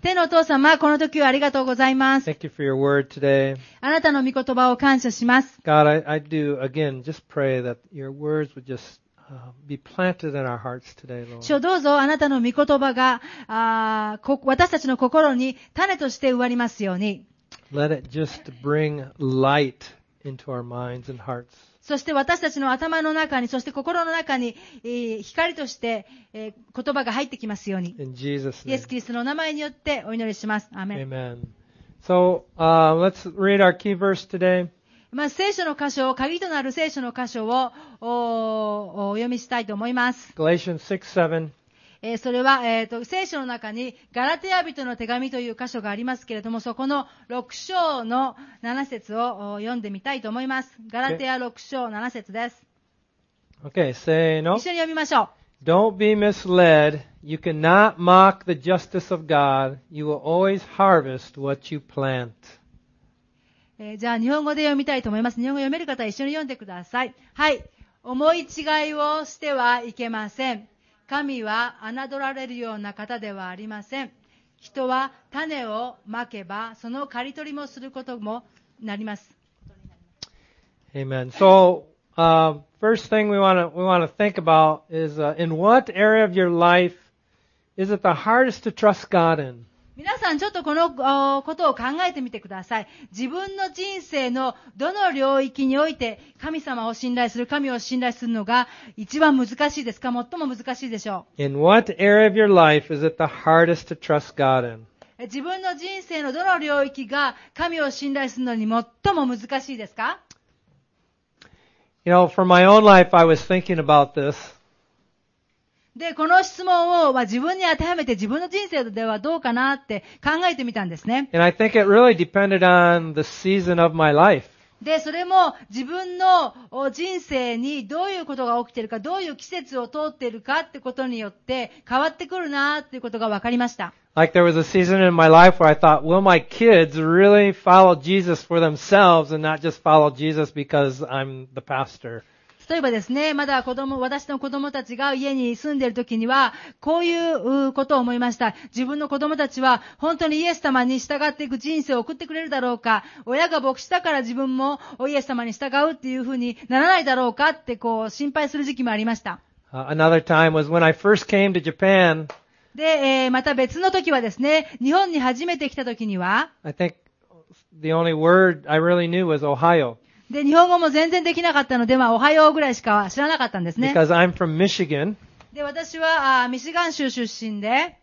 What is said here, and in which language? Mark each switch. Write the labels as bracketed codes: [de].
[ja] 天のお父様、この時をありがとうございます。 [en] Thank you for your word today. [ja] あなたの御言葉を感謝します。 [en] God, I do again just pray that your words would just be planted in our hearts today, Lord. [ja] 主よ、どうぞあなたの御言葉が私たちの心に種として植わりますように。 [en] Let it just bring light into our minds and hearts. [ja] そして私たちの頭の中に、そして心の中に、光として、言葉が入ってきますように。イエス・キリストの名前によってお祈りします。アーメン。 [en] Amen. So, let's read our key verse today. [ja] まず聖書の箇所を、鍵となる聖書の箇所をお読みしたいと思います。 [en] Galatians 6:7. [ja] それは、聖書の中にガラテヤ人の手紙という箇所がありますけれども、そこの6章の7節を読んでみたいと思います。ガラテヤ6章7節です。 Okay, せーの。一緒に読みましょう。 [en] Don't be misled. You cannot mock the justice of God. You will always harvest what you plant. [ja] じゃあ、日本語で読みたいと思います。日本語読める方は一緒に読んでください。はい。思い違いをしてはいけません。神は侮られるような方ではありません。人は種をまけば、その刈り取りもすることもなります。 [en] Amen. So, first thing we want to think about is, in what area of your life is it the hardest to trust God in? [ja] 皆さん、ちょっとこのことを考えてみてください。自分の人生のどの領域において神様を信頼する、神を信頼するのが一番難しいですか？最も難しいでしょう。 [en] In what area of your life is it the hardest to trust God in? [ja] 自分の人生のどの領域が神を信頼するのに最も難しいですか？ [en] You know, for my own life, I was thinking about this. [ja] で、この質問を、まあ、自分に当てはめて自分の人生ではどうかなって考えてみたんですね。 [en] And I think it really depended on the season of my life. [ja] で、それも自分の人生にどういうことが起きているか、どういう季節を通っているかってことによって変わってくるなっていうことが分かりました。 [en] Like there was a season in my life where I thought, will my kids really follow Jesus for themselves and not just follow Jesus because I'm the pastor? [ja] 例えばですね、まだ私の子供たちが家に住んでいるときには、こういうことを思いました。自分の子供たちは本当にイエス様に従っていく人生を送ってくれるだろうか、親が牧師だから自分もイエス様に従うっていうふうにならないだろうかってこう心配する時期もありました。 [en] Another time was when I first came to Japan. [ja] で、また別の時はですね、日本に初めて来たときには、 [en] I think the only word I really knew was Ohio. [ja] で、日本語も全然できなかったので、まあ、おはようぐらいしか知らなかったんですね。 [en] Because I'm from Michigan. [ja] で、私は、ミシガン州出身で。